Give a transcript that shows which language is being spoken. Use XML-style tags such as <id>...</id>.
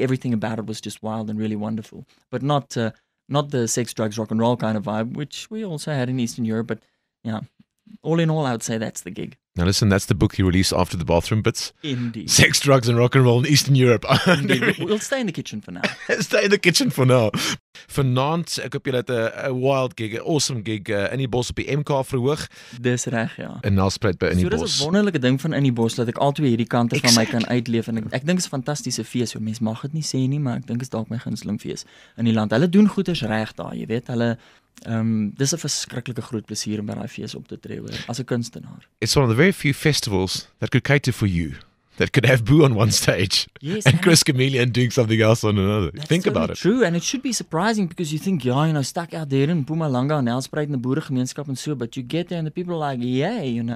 <en>Everything about it was just wild and really wonderful. But not the sex, drugs, rock and roll kind of vibe, which we also had in Eastern Europe. But yeah, all in all, I would say that's the gig. Now listen, that's the book you release after the bathroom bits. Indeed. Sex, drugs and rock and roll in Eastern Europe. We'll stay in the kitchen for now. Stay in the kitchen for now.</en> <af>Vanaand, ek hoop jy het 'n wild gig, 'n awesome gig, in die bos op die MK verhoog. Dis reg, ja. En naspreid by in die bos. So dis 'n wonderlike ding van in die bos, dat ek al twee hierdie kante van my kan uitleef. En ek dink is 'n fantastiese fees, so mens mag het nie sê nie, maar ek dink is dalk my gunsteling fees in die land. Hulle doen goeders reg daar, jy weet, hulle... dis 'n verskriklike groot plesier om by daai fees op te tree hoor, as 'n kunstenaar.</af> <en>It's one of the very few festivals that could cater for you, that could have Boo on one stage, yes, and Chris Chameleon doing something else on another. That's think totally about it. True, and it should be surprising because you think, yeah, you know, stuck out there in Mpumalanga and Nelspruit in the boeregemeenskap and so, but you get there and the people are like, yay, you know.</en>